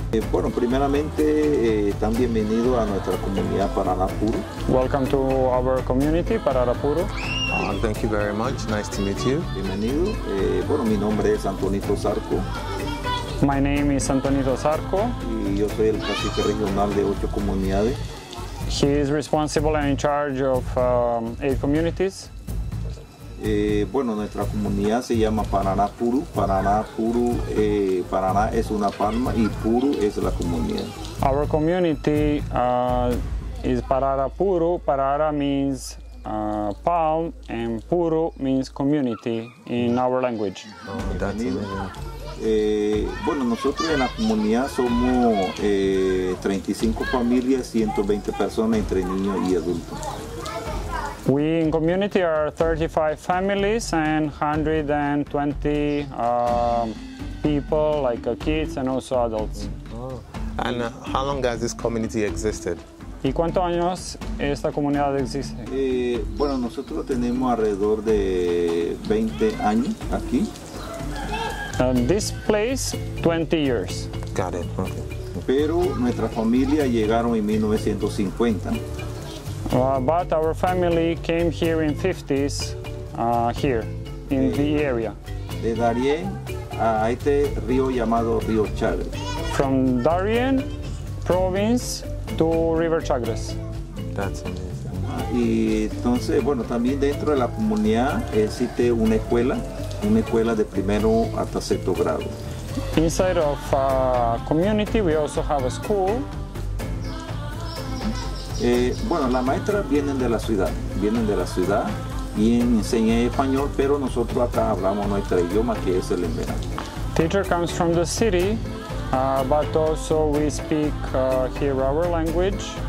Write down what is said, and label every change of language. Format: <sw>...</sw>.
<es>Bueno, primeramente están bienvenidos a nuestra comunidad Pararapuru.</es> <en>Welcome to our community Pararapuru. Thank you very much. Nice to meet you.</en> <es>Bienvenido. Bueno, mi nombre es Antonito Zarco.</es> <en>My name is Antonito Zarco.</en> <es>Y yo soy el cacique regional de 8 comunidades.</es> <en>He is responsible and in charge of 8 communities.</en> <es>Bueno, nuestra comunidad se llama Paraná Puru. Paraná Puru, Paraná es una palma y Puru es la comunidad.</es> <en>Our community is Parara Puru. Parara means palm, and puru means community in our language. Oh, that's amazing.</en> <es>Bueno, nosotros en la comunidad somos 35 familias, 120 personas entre niños y adultos.</es> <en>We in community are 35 families and 120 people, like kids and also adults. Oh. And how long has this community existed?</en> <es>¿Y cuántos años esta comunidad existe? Bueno, nosotros tenemos alrededor de 20 años aquí.</es> <en>This place, 20 years. Got it. Okay.</en> <es>Pero nuestra familia llegaron en 1950.</es> <en>But our family came here in 50s, here, in the area.</en> <es>De Darien a este río llamado Río Chagres.</es> <en>From Darien province to River Chagres. That's amazing.</en> <es>Y entonces, bueno, también dentro de la comunidad existe una escuela de primero hasta sexto grado.</es> <en>Inside of a community, we also have a school.</en> <es>Bueno, las maestras vienen de la ciudad y enseñan español, pero nosotros acá hablamos nuestro idioma, que es el embera.</es> <en>Teacher comes from the city, but also we speak here our language.</en>